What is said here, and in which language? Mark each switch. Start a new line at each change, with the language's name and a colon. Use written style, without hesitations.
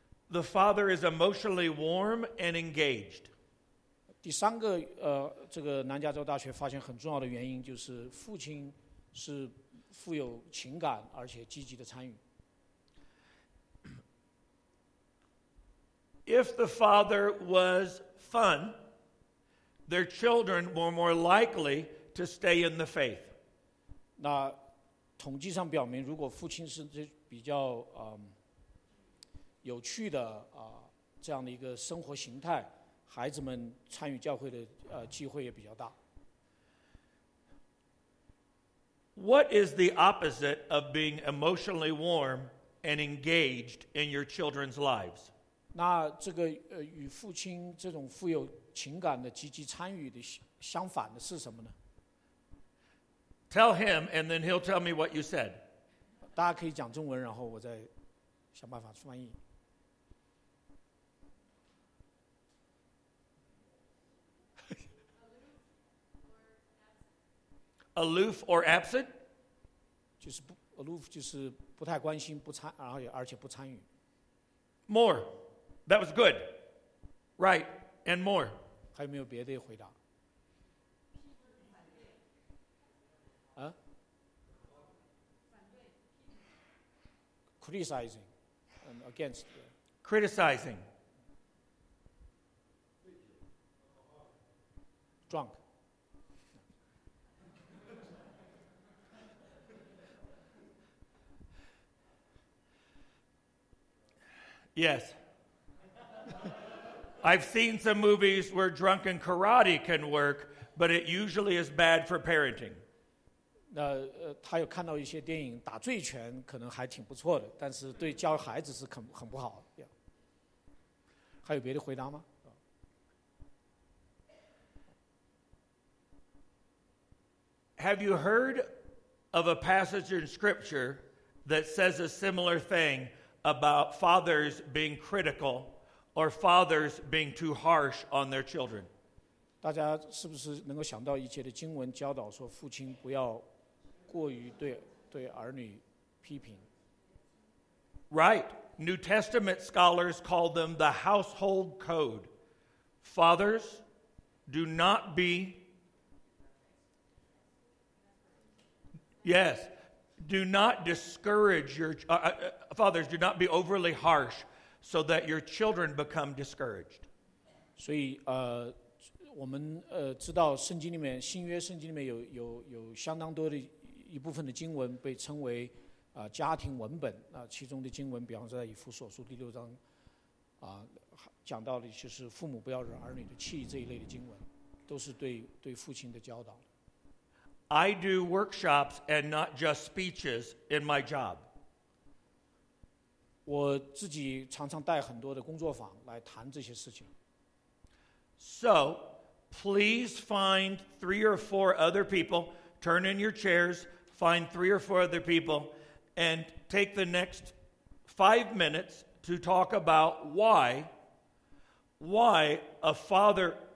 English: The father is emotionally warm and engaged.
Chinese: 第三个，这个南加州大学发现很重要的原因就是父亲是富有情感而且积极的参与。
English: If the father was fun, their children were more likely to stay in the faith.
Chinese: 那统计上表明，如果父亲是比较有趣的这样的一个生活形态。孩子们参与教会的机会也比较大。
English: What is the opposite of being emotionally warm and engaged in your children's lives?
Chinese: 那这个与父亲这种富有情感的积极参与的相反的是什么呢？
English: Tell him and then he'll tell me what you said.
Chinese: 大家可以讲中文，然后我再想办法翻译。
English: Aloof or absent?
Chinese: 就是不 aloof 就是不太关心不参而且不参与。
English: More. That was good. Right. And more.
Chinese: 还有没有别的回答？啊？
English: Criticizing and against. Criticizing. Drunk. Yes. I've seen some movies where drunken karate can work, but it usually is bad for parenting.
Chinese: 那他有看到一些电影打醉拳可能还挺不错的，但是对教孩子是很不好的。还有别的回答吗？
English: Have you heard of a passage in scripture that says a similar thing? About fathers being critical or fathers being too harsh on their children.
Chinese: 大家是不是能够想到一切的经文教导说父亲不要过于对儿女批评？
English: Right. New Testament scholars call them the household code. Fathers, do not be. Yes. Do not discourage your fathers. Do not be overly harsh, so that your children become discouraged.
Chinese: 所以我们知道圣经里面新约圣经里面有相当多的一部分的经文被称为家庭文本。那其中的经文，比方说在以弗所书第六章讲到的就是父母不要惹儿女的气这一类的经文，都是对父亲的教导。
English: I do workshops and not just speeches in my job.
Chinese: 我自己常常带很多的工作坊来谈这些事情。
English: So, please find three or four other people, turn in your chairs, find three or four other people, and take the next 5 minutes to talk about why a father